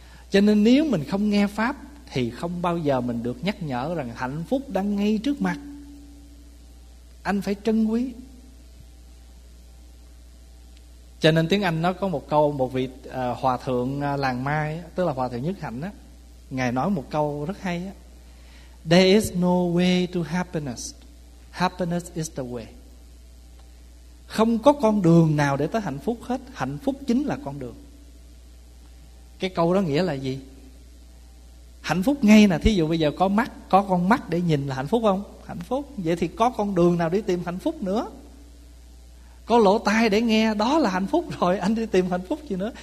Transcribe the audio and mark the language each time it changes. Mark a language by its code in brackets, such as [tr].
[vi] Cho nên nếu mình không nghe Pháp thì không bao giờ mình được nhắc nhở rằng hạnh phúc đang ngay trước mặt, anh phải trân quý. Cho nên tiếng Anh nó có một câu, một vị hòa thượng làng Mai, tức là hòa thượng Nhất Hạnh, ngài nói một câu rất hay. [en] There is no way to happiness. Happiness is the way. [vi] Không có con đường nào để tới hạnh phúc hết. Hạnh phúc chính là con đường. Cái câu đó nghĩa là gì? Hạnh phúc ngay nè, thí dụ bây giờ có mắt, có con mắt để nhìn là hạnh phúc không? Hạnh phúc. Vậy thì có con đường nào đi tìm hạnh phúc nữa? Có lỗ tai để nghe, đó là hạnh phúc rồi, anh đi tìm hạnh phúc gì nữa?